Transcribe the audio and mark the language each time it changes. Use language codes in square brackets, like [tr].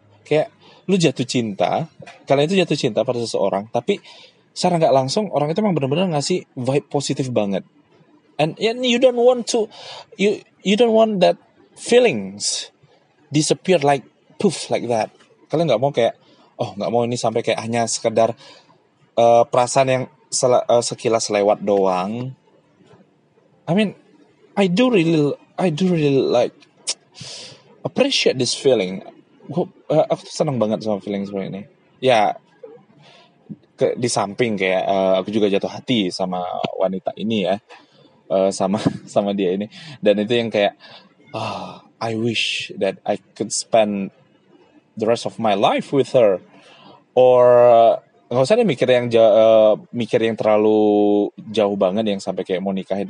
[id] Kayak lu jatuh cinta, kalian itu jatuh cinta pada seseorang, tapi secara nggak langsung orang itu emang benar-benar ngasih vibe positif banget. [en] And you don't want that feelings disappear like poof like that. [id] Kalian nggak mau kayak, oh nggak mau ini sampai kayak hanya sekedar perasaan yang sekilas lewat doang. [en] I mean, I do really like appreciate this feeling. [id] Aku tuh seneng banget sama feeling seperti ini. Ya, di samping kayak aku juga jatuh hati sama wanita ini ya, sama dia ini. Dan itu yang kayak, I wish that I could spend the rest of my life with her. Or nggak usah deh mikir yang terlalu jauh banget yang sampai kayak mau nikahin.